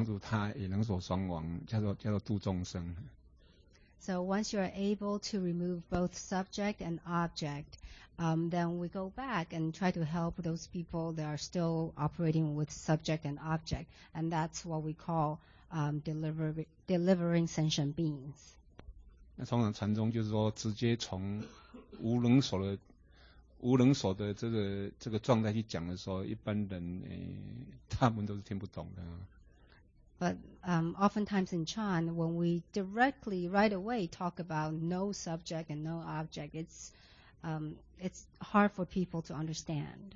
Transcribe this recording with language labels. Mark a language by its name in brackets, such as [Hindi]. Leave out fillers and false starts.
[Chinese] 然后你自己就是能所双亡以后，那你就回头过来去帮助那一些什么，就是有能所的人帮助他也能所双亡，叫做度众生。 [English] So once you are able to remove both subject and object, then we go back and try to help those people that are still operating with subject and object. And that's what we call delivering sentient beings. [Chinese] 那通常禅宗就是说直接从无能所的这个状态去讲的时候，一般人他们都是听不懂的。 [English] But oftentimes in Chan, when we directly, right away, talk about no subject and no object, it's hard for people to understand.